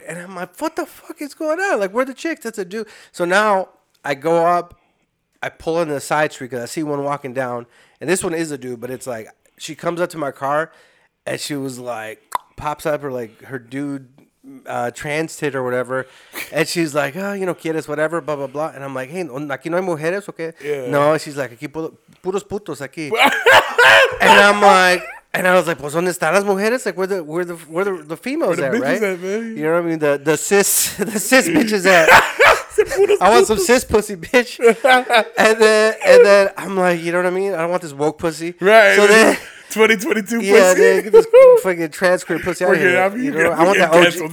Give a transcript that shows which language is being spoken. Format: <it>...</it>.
<en>And I'm like, what the fuck is going on? Like, where are the chicks? That's a dude. So now I go up, I pull in the side street because I see one walking down. And this one is a dude, but it's like, she comes up to my car and she was like, pops up her, like, her dude trans tit or whatever. And she's like, oh, you know, quieres, whatever, blah, blah, blah. And I'm like, hey,</en> <es>aquí no hay mujeres,</es> <en>okay? Yeah. No, she's like,</en> <es>aquí puros putos aquí.</es> <en>And I'm like, and I was like,</en> <es>pues, ¿dónde están las mujeres?</es> <en>Like, where the females where the at, right? At, man? You know what I mean? The cis bitches at. I want some cis pussy, bitch. And then I'm like, you know what I mean? I don't want this woke pussy. Right. So then 2022 pussy. Yeah, dude, get this fucking transcript pussy out of here. I want that OG.</en>